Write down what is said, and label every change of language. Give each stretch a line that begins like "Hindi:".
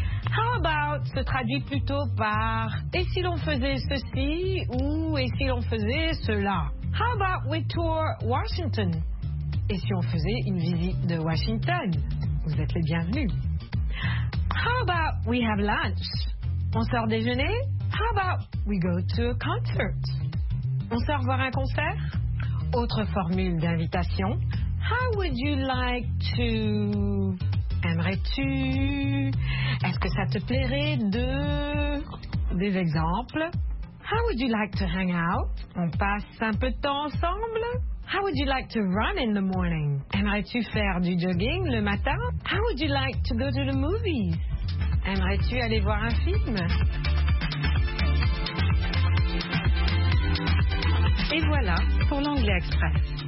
English: How about
French: se traduit plutôt par et si l'on faisait ceci ou et si l'on faisait cela?
English: How about we tour Washington?
French: Et si on faisait une visite de Washington? Vous êtes les bienvenus.
English: How about we have lunch?
French: On sort déjeuner?
English: How about we go to a concert?
French: On sort voir un concert? Autre formule d'invitation.
English: How would you like to...
French: Aimerais-tu? Est-ce que ça te plairait de... Des exemples.
English: How would you like to hang out?
French: On passe un peu de temps ensemble?
English: How would you like to run in the morning?
French: Aimerais-tu faire du jogging le matin?
English: How would you like to go to the movies?
French: Aimerais-tu aller voir un film? Et voilà pour l'anglais express.